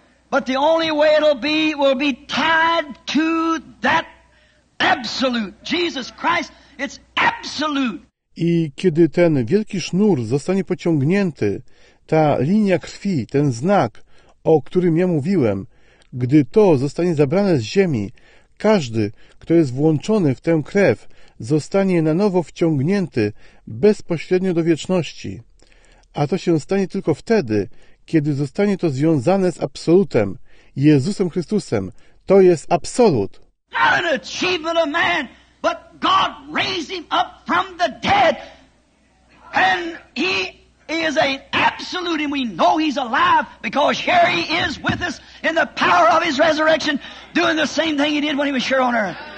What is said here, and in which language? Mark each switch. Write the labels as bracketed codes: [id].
[en] But the only way it'll be will be tied to that absolute Jesus Christ. It's absolute. [pl] I kiedy ten wielki sznur zostanie pociągnięty, ta linia krwi, ten znak, o którym ja mówiłem, gdy to zostanie zabrane z ziemi, każdy, kto jest włączony w tę krew, zostanie na nowo wciągnięty bezpośrednio do wieczności. A to się stanie tylko wtedy, kiedy zostanie to związane z absolutem, Jezusem Chrystusem. To jest absolut. [en] Not an achievement of man, but God raised him up from the dead. And he is an absolute, and we know he's alive, because here he is with us in the power of his resurrection, doing the same thing he did when he was here on earth.